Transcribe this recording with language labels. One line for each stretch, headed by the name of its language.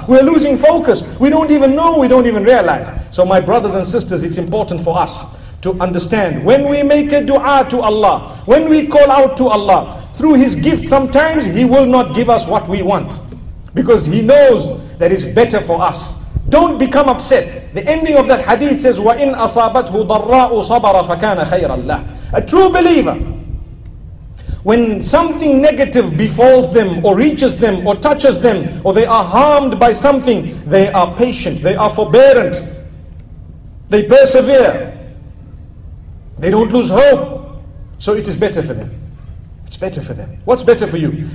English: We're losing focus. We don't even know, we don't even realize. So my brothers and sisters, it's important for us to understand, when we make a dua to Allah, when we call out to Allah, through His gift sometimes He will not give us what we want. Because He knows that it's better for us. Don't become upset. The ending of that hadith says,
Arabic: وَإِنْ أَصَابَتْهُ ضَرَّاءُ صَبَرَ فَكَانَ خَيْرًا لَهُ.
English: A true believer, when something negative befalls them or reaches them or touches them or they are harmed by something, they are patient, they are forbearant, they persevere, they don't lose hope. So it is better for them. It's better for them. What's better for you?